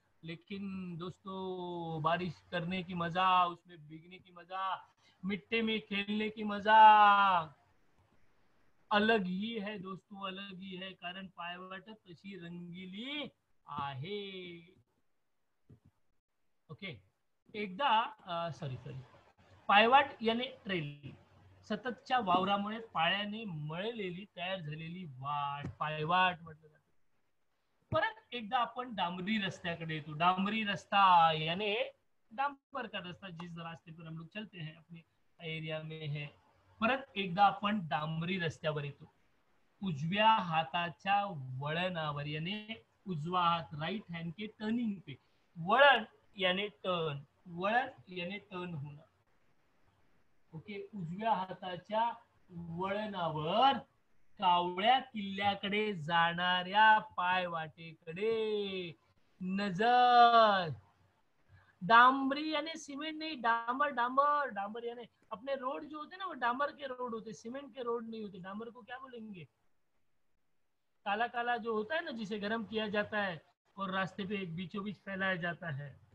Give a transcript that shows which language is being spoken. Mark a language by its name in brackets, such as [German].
[Hindi] लेकिन दोस्तों बारिश करने की मजा, उसमें भीगने की मजा, मिट्टी में खेलने की मजा अलग ही है दोस्तों, अलग ही है, [Marathi] कारण पायवाट तशी रंगीली आहे, [Hindi] ओके। [Marathi] एकदा सॉरी सॉरी पायवाट याने ट्रेल, सततच्या वावरामुळे पाळ्याने मळलेली तयार झालेली वाट पायवाट म्हटलं जात। परत एकदा आपण डांबरी रस्त्याकडे येतो, डांबरी रस्ता याने डांबर का रस्ता, [Hindi] जिस रास्ते पर हम लोग चलते हैं अपने एरिया में है। [Marathi] परत एकदा आपण डांबरी रस्त्यावर येतो, उजव्या हाताच्या वळणावर याने उजवा हात, [Hindi] राईट हँड के टर्निंग पे, [Marathi] वळण याने टर्न, वळण याने टर्न होणं, ओके। उजव्या हाताच्या वळणावर कावळ्या किल्ल्याकडे जाणाऱ्या पायवाटेकडे नजर, डांबरी याने सिमेंट नाही, [Hindi] डांबर डांबर डांबर याने अपने रोड जो होते ना वो डांबर के रोड होते, सिमेंट के रोड नहीं होते, डांबर को क्या बोलेंगे, काला काला जो होता है ना जिसे गर्म किया जाता है और रास्ते पे बीचों बीच फैलाया जाता है,